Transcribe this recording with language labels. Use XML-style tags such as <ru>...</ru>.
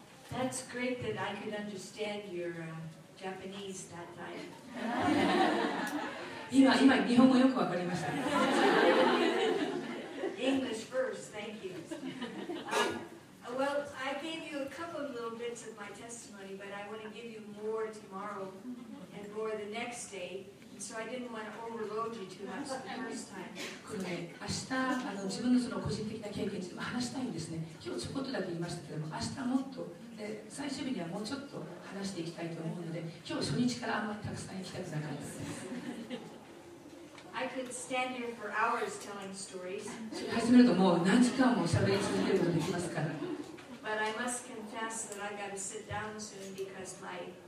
<en>That's great that I could understand your Japanese that night.</en> <ja>今日本語よくわかりました。</ja> <en>English first, thank you. Well, I gave you a couple of little bits of my testimony, but I want to give you more tomorrow and more the next day. So I didn't want to overload you too much the first time.</en> <ja>これ、明日自分のその個人的な経験について話したいんですね。今日ちょこっとだけ言いましたけども、明日もっとで最終日にはもうちょっと話していきたいと思うので、今日初日からあんまりたくさん行きたくなかったです。</ja> <en>I could stand here for hours telling stories.</en> <ja>始めるともう何時間も喋り続けることができますから。</ja> <en>But I must confess that I got to sit down soon because my</en>